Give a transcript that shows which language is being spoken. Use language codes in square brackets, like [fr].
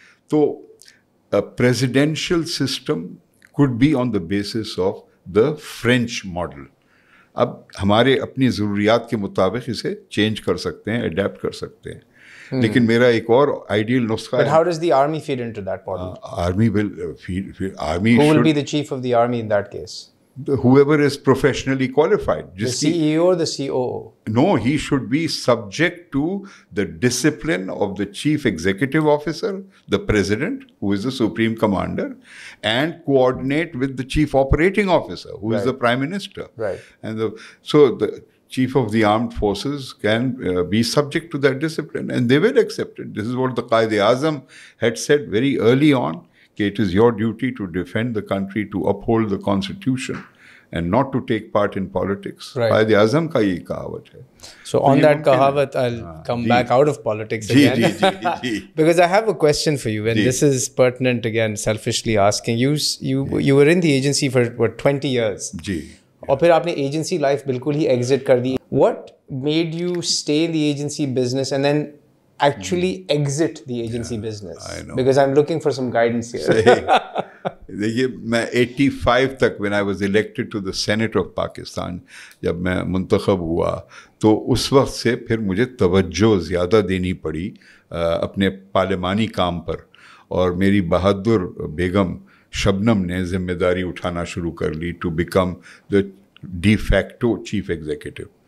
[en] तो presidential system could be on the basis of the French model. [hi] अब हमारे अपनी ज़रूरियात के मुताबिक इसे चेंज कर सकते हैं, अडेप्ट कर सकते हैं. लेकिन मेरा एक और आइडियल नुस्खा, [en] But how does the army feed into that model? Army will feed, army who will be the chief of the army in that case? Whoever is professionally qualified, the CEO or the COO? No, he should be subject to the discipline of the chief executive officer, the president, who is the supreme commander, and coordinate with the chief operating officer, who is the prime minister. Right. And so the chief of the armed forces can be subject to that discipline, and they will accept it. This is what the Qaid-e-Azam had said very early on. It is your duty to defend the country, to uphold the constitution, and not to take part in politics. Right. [hi] By the Azam ka ye kahawat hai. [en] So on that kahawat, I'll come back out of politics again. Because I have a question for you, and this is pertinent again, selfishly asking. You were in the agency for what, 20 years? Yeah. [hi] Aur phir aapne agency life bilkul hi exit kar di. [en] What made you stay in the agency business and then actually exit the agency business? I know. Because I'm looking for some guidance here. [hi] देखिए, मैं 85 तक, when I was elected to the Senate of Pakistan, जब मैं मुंतखब हुआ, तो उस वक्त से फिर मुझे तवज्जो ज़्यादा देनी पड़ी अपने पार्लियामानी काम पर, और मेरी बहादुर बेगम शबनम ने जिम्मेदारी उठाना शुरू कर ली to become the de facto chief executive.